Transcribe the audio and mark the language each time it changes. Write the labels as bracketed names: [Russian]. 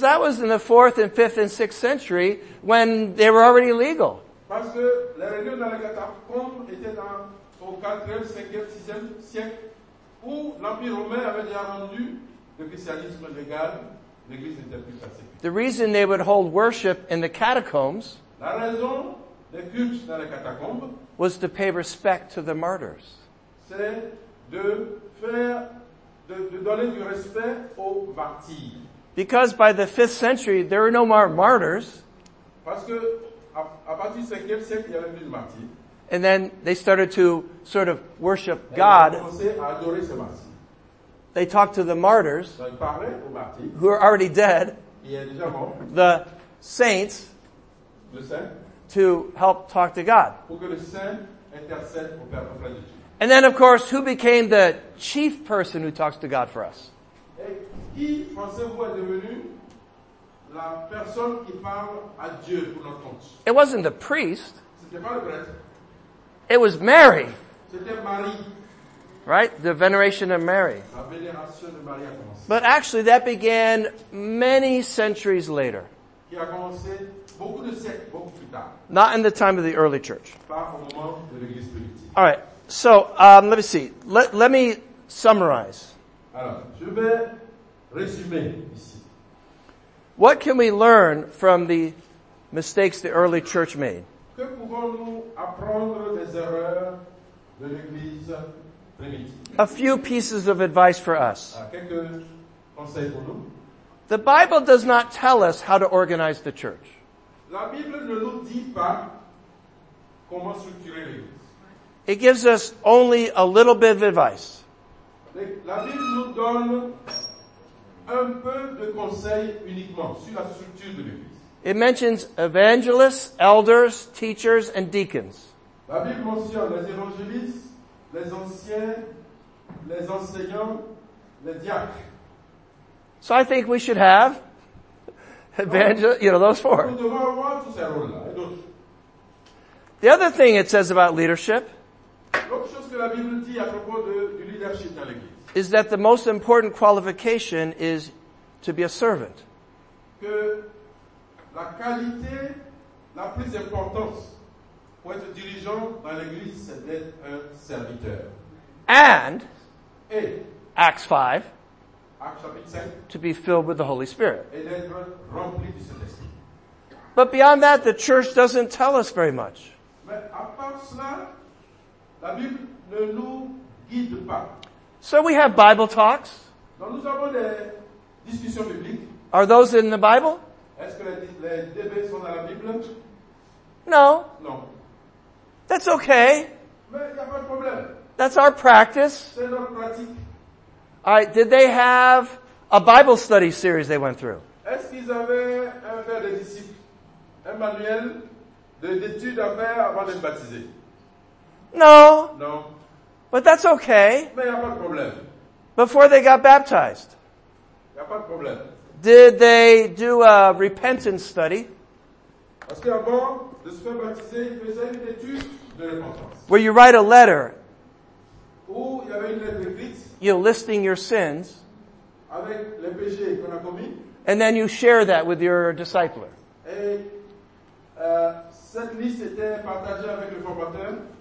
[English] that was in the 4th and 5th and 6th century when they were already legal. [French] Parce que la réunion dans les catacombes était dans, au 4e, 5e, 6e siècle où l'Empire romain avait déjà rendu le christianisme légal, l'Église était plus persécutée. [English] The reason they would hold worship in the catacombs, [French] la raison des cultes dans les catacombes, [English] was to pay respect to the martyrs. [French] C'est de donner du respect aux martyrs. [English] Because by the 5th century, there were no more martyrs. [French] Parce que à partir du 5e siècle, il y avait plus de martyrs. [English] And then they started to sort of worship [French] et [English] God. [French] Ils ont commencé à adorer ces martyrs. [English] They talked to the martyrs, [French] donc, ils parlaient aux martyrs, [English] who are already dead, [French] il est déjà mort, [English] the saints, [French] le saint, [English] to help talk to God. [French] Pour que le saint intercède au Père, au Frère de Dieu. [English] And then, of course, who became the chief person who talks to God for us? [French] Qui pensez-vous est devenu la personne qui parle à Dieu pour notre compte? [English] It wasn't the priest. [French] C'était pas le prêtre. [English] It was Mary. [French] C'était Marie. [English] Right? The veneration of Mary. [French] La vénération de Marie a commencé. [English] But actually, that began many centuries later. [French] Qui a commencé beaucoup de siècles, beaucoup plus tard. [English] Not in the time of the early church. [French] Pas au moment de l'Église primitive. [English] All right. So, let me see. Let me summarize. [French] Alors, je vais résumer ici. [English] What can we learn from the mistakes the early church made? [French] Que pouvons-nous apprendre des erreurs de l'Église primitive? [English] A few pieces of advice for us. [French] Quelques conseils pour nous. [English] The Bible does not tell us how to organize the church. [French] La Bible ne nous dit pas comment structurer l'Église. [English] It gives us only a little bit of advice. [French] La Bible nous donne un peu de conseils uniquement sur la structure de l'Église. [English] It mentions evangelists, elders, teachers, and deacons. [French] La Bible mentionne les évangélistes, les anciens, les enseignants, les diacres. [English] So I think we should have evangelists, you know, those four. [French] Nous devons avoir tous ces rôles-là et d'autres. [English] The other thing it says about leadership, [French] l'autre chose que la Bible dit à propos du leadership dans l'Église, [English] is that the most important qualification is to be a servant. [French] Que la qualité la plus importante pour être dirigeant dans l'Église, c'est d'être un serviteur. [English] And, [French] et, [English] Acts 5, [French] Acts chapitre 5, [English] to be filled with the Holy Spirit. [French] Et d'être rempli du Saint-Esprit. [English] But beyond that, the church doesn't tell us very much. [French] Mais à part cela, la Bible ne nous guide pas. [English] So we have Bible talks. [French] Donc nous avons des discussions bibliques. [English] Are those in the Bible? [French] Est-ce que les débats sont dans la Bible? [English] No. [French] Non. [English] That's okay. [French] Mais y a pas de problème. [English] That's our practice. [French] C'est notre pratique. [English] Alright, did they have a Bible study series they went through? [French] Est-ce qu'ils avaient un verre de disciples, un manuel d'études à faire avant d'être baptisés? [English] No. No. But that's okay. [French] Mais y a pas de problème. [English] Before they got baptized. [French] Y a pas de problème. [English] Did they do a repentance study? [French] Parce que avant de se faire baptiser, ils faisaient une étude de repentance. [English] Where you write a letter. [French] Où y avait une lettre écrite. [English] You're listing your sins. [French] Avec les péchés qu'on a commis. [English] And then you share that with your discipler. [French] Et cette liste était partagée avec le formateur.